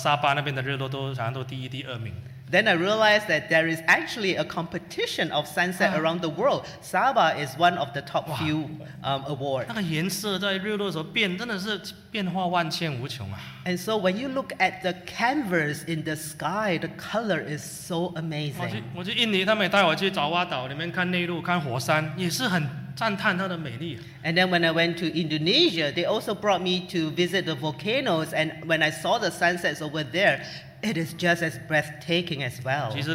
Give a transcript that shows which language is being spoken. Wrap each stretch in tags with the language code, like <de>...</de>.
<zh>原来每年全世界的日落都有比赛哦，那个沙巴那边的日落都好像都第一、第二名。</zh> <en>Then I realized that there is actually a competition of sunset around the world. Sabah is one of the top few awards.</en> <zh>那个颜色在日落的时候变，真的是变化万千无穷啊。</zh> <en>And so when you look at the canvas in the sky, the color is so amazing.</en> <zh>我去印尼，他们也带我去爪哇岛里面看内陆、看火山，也是很。赞叹它的美丽啊。</zh> <en>And then when I went to Indonesia, they also brought me to visit the volcanoes, and when I saw the sunsets over there, it is just as breathtaking as well.</en>